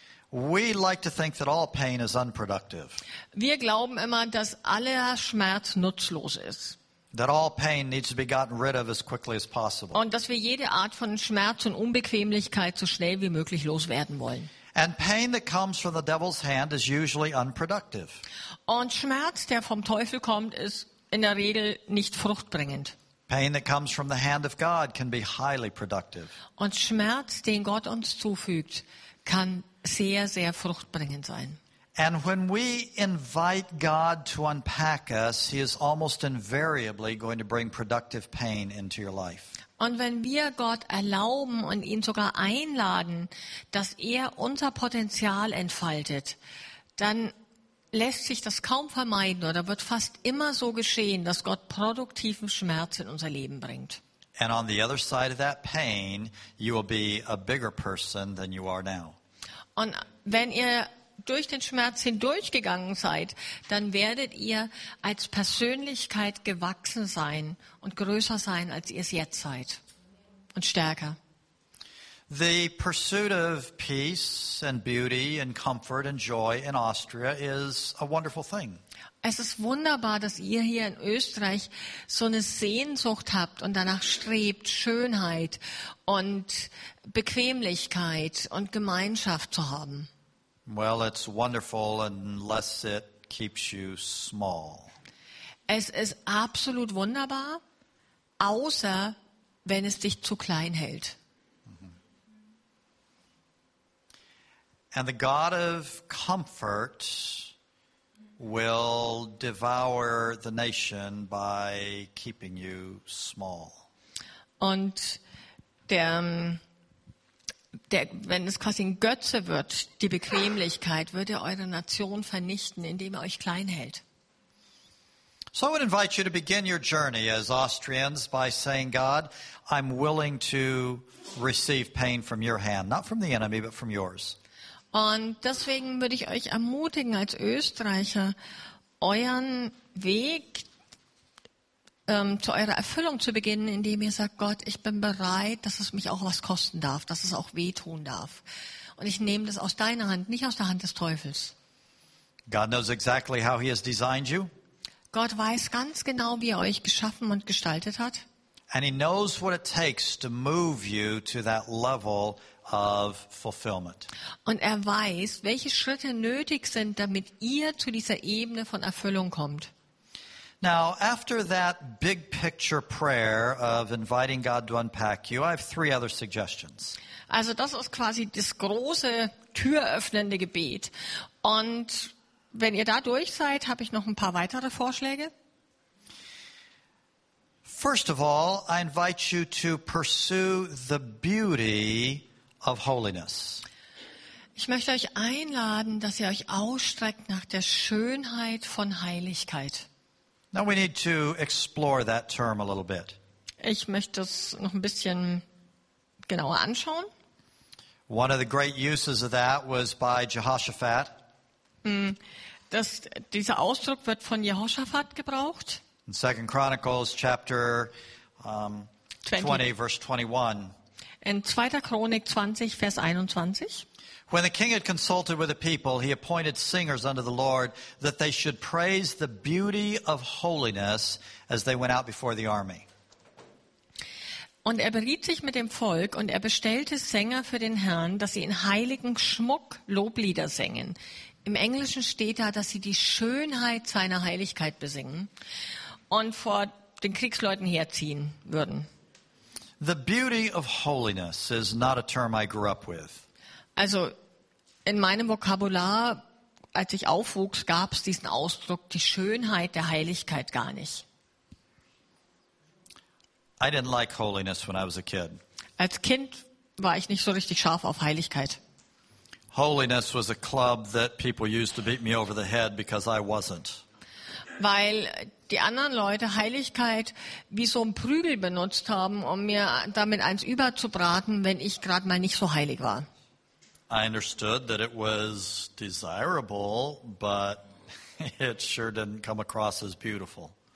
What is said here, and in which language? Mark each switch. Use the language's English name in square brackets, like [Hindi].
[English] We like to think that all pain is unproductive. [German] Wir glauben immer, dass aller Schmerz nutzlos ist. [English] That all pain needs to be gotten rid of as quickly as possible. [German] Und dass wir jede Art von Schmerz und Unbequemlichkeit so schnell wie möglich loswerden wollen. [English] And pain that comes from the devil's hand is usually unproductive. [German] Und Schmerz, der vom Teufel kommt, ist in der Regel nicht fruchtbringend. [English] Pain that comes from the hand of God can be highly productive. [German] Und Schmerz, den Gott uns zufügt, kann sehr, sehr fruchtbringend sein. [English] And when we invite God to unpack us, he is almost invariably going to bring productive pain into your life. [German] Und wenn wir Gott erlauben und ihn sogar einladen, dass er unser Potenzial entfaltet, dann lässt sich das kaum vermeiden oder wird fast immer so geschehen, dass Gott produktiven Schmerz in unser Leben bringt. [English] And on the other side of that pain, you will be a bigger person than you are now. [German] Und wenn ihr durch den Schmerz hindurchgegangen seid, dann werdet ihr als Persönlichkeit gewachsen sein und größer sein, als ihr es jetzt seid und stärker. [English] The pursuit of peace and beauty and comfort and joy in Austria is a wonderful thing. [German] Es ist wunderbar, dass ihr hier in Österreich so eine Sehnsucht habt und danach strebt, Schönheit und Bequemlichkeit und Gemeinschaft zu haben. [English] Well, it's wonderful unless it keeps you small. [German] Es ist absolut wunderbar, außer wenn es dich zu klein hält. [English] And the God of comfort will devour the nation by keeping you small. [German] Und wenn es quasi ein Götze wird, die Bequemlichkeit, wird er eure Nation vernichten, indem er euch klein hält. [English] So I would invite you to begin your journey as Austrians by saying, God, I'm willing to receive pain from your hand, not from the enemy, but from yours. [German] Und deswegen würde ich euch ermutigen, als Österreicher, euren Weg zu eurer Erfüllung zu beginnen, indem ihr sagt, Gott, ich bin bereit, dass es mich auch was kosten darf, dass es auch wehtun darf. Und ich nehme das aus deiner Hand, nicht aus der Hand des Teufels. [English] God knows exactly how he has designed you. [German] Gott weiß ganz genau, wie er euch geschaffen und gestaltet hat. [English] And he knows what it takes to move you to that level of fulfillment. [German] Und er weiß, welche Schritte nötig sind, damit ihr zu dieser Ebene von Erfüllung kommt. [English] Now, after that big picture prayer of inviting God to unpack you, I have three other suggestions. [German] Also, das ist quasi das große türöffnende Gebet. Und wenn ihr da durch seid, habe ich noch ein paar weitere Vorschläge. [English] First of all, I invite you to pursue the beauty of holiness. [German] Ich möchte euch einladen, dass ihr euch ausstreckt nach der Schönheit von Heiligkeit. [English] Now we need to explore that term a little bit. [German] Ich möchte es noch ein bisschen genauer anschauen. [English] One of the great uses of that was by Jehoshaphat. [German] Dieser Ausdruck wird von Jehoshaphat gebraucht. [English] In 2 Chronicles chapter 20 verse 21. [German] In 2. Chronik 20 Vers 21. [English] When the king had consulted with the people, he appointed singers unto the Lord that they should praise the beauty of holiness as they went out before the army. [German] Und er beriet sich mit dem Volk und er bestellte Sänger für den Herrn, dass sie in heiligen Schmuck Loblieder singen. Im Englischen steht da, dass sie die Schönheit seiner Heiligkeit besingen und vor den Kriegsleuten herziehen würden. [English] The beauty of holiness is not a term I grew up with. [German] Also in meinem Vokabular, als ich aufwuchs, gab es diesen Ausdruck, die Schönheit der Heiligkeit gar nicht. [English] I didn't like holiness when I was a kid. [German] Als Kind war ich nicht so richtig scharf auf Heiligkeit. [English] Holiness was a club that people used to beat me over the head because I wasn't. [German] Weil die anderen Leute Heiligkeit wie so ein Prügel benutzt haben, um mir damit eins überzubraten, wenn ich gerade mal nicht so heilig war. [English] I understood that it was desirable, but it sure didn't come across as beautiful.